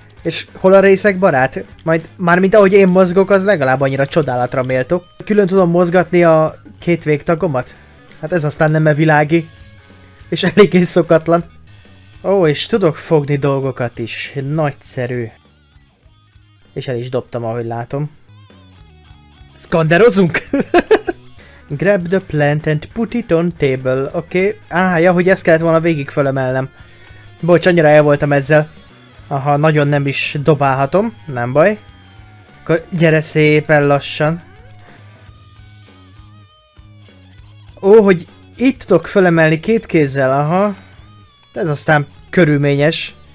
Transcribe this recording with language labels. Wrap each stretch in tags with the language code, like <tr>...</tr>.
<hu>És hol a részek, barát? Majd, mármint ahogy én mozgok, az legalább annyira csodálatra méltó. Külön tudom mozgatni a két végtagomat? Hát ez aztán nem-e világi? És eléggé szokatlan. Ó, és tudok fogni dolgokat is. Nagyszerű. És el is dobtam, ahogy látom. Skanderozunk!</hu> <en>Grab the plant and put it on table, oké? Okay.</en> <hu>Ja, hogy ezt kellett volna végig fölemelnem. Bocs, annyira el voltam ezzel. Aha, nagyon nem is dobálhatom, nem baj. Akkor gyere szépen lassan. Ó, hogy itt tudok fölemelni két kézzel, aha. Ez aztán körülményes.</hu>